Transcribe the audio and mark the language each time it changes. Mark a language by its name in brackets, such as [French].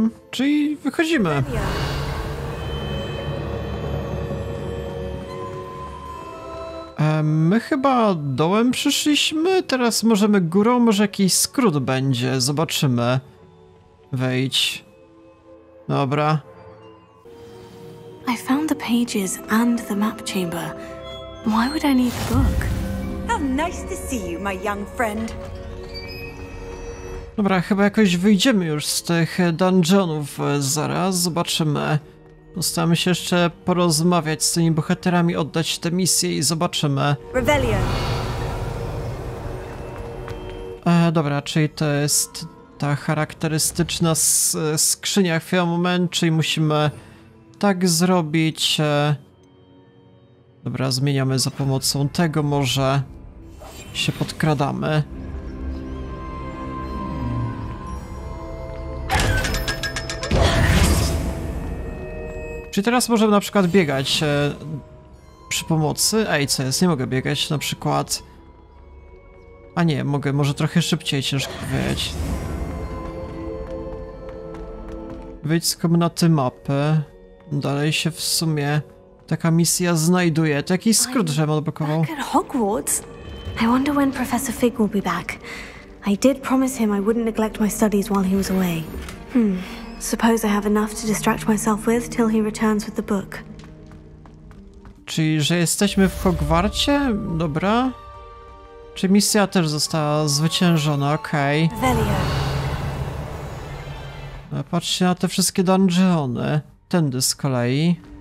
[Polish] Czyli wychodzimy. My chyba dołem przyszliśmy, teraz możemy górą, może jakiś skrót będzie, zobaczymy. Wejdź. Dobra. [English] I found the pages and the map chamber. Why would I need the book? How nice to see you, my young friend. [Polish] Dobra, chyba jakoś wyjdziemy już z tych dungeonów zaraz, zobaczymy. Postaramy się jeszcze porozmawiać z tymi bohaterami, oddać tę misję i zobaczymy. Dobra, czyli to jest ta charakterystyczna skrzynia. Chwila moment, czyli musimy tak zrobić. Dobra, zmieniamy za pomocą tego, może się podkradamy. Czy teraz możemy na przykład biegać przy pomocy? Ej, co jest? Nie mogę biegać na przykład. A nie, mogę, może trochę szybciej, ciężko powiedzieć. Wyjdź z komnaty mapy. Dalej się w sumie taka misja znajduje. To jakiś skrót, żebym odblokował. Hogwarts. [English] I wonder when Professor Fig will be back. I did promise him I wouldn't neglect my studies while he was away. Suppose I have enough to distract myself with till he returns with the book. [Polish] Czyli, że jesteśmy w Hogwarcie? Dobra. Czy misja też została zwyciężona? Okej. Okay. Patrzcie na te wszystkie dungeony. Tędy z kolei.